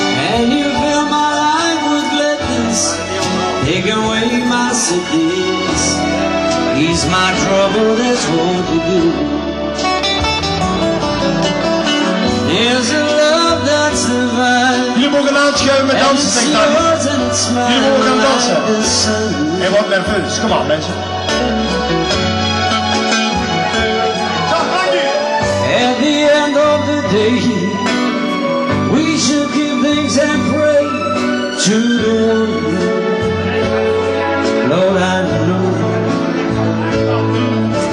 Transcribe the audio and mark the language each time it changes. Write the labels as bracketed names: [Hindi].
[English] And you fill my life with gladness. Take away my sickness. He's my trouble, that's what you do. There's a love that's divine. [Dutch] Jullie mogen aanschuiven met dansen, zegt Dani. Jullie mogen gaan dansen. En wat nerveus, kom op mensen. Zag, dank je. [English] At the end of the day, we should give things and pray to the one. Lord, I know.